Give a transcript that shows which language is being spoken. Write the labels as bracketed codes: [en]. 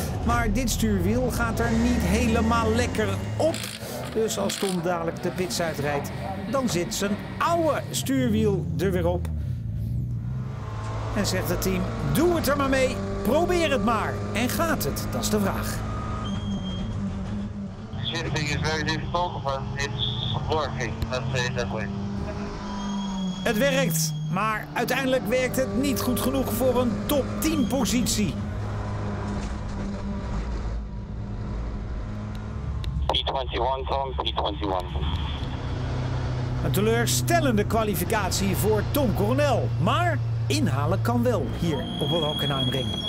[nl] Maar dit stuurwiel gaat er niet helemaal lekker op. Dus als Tom dadelijk de pits uitrijdt, dan zit zijn oude stuurwiel er weer op. En zegt het team, doe het er maar mee, probeer het maar. En gaat het? Dat is de vraag. [en] Shifting is very difficult, but it's working, let's say it that way. [nl] Het werkt, maar uiteindelijk werkt het niet goed genoeg voor een top 10 positie. P21 Tom, P21. Een teleurstellende kwalificatie voor Tom Coronel, maar inhalen kan wel hier op een Hockenheimring.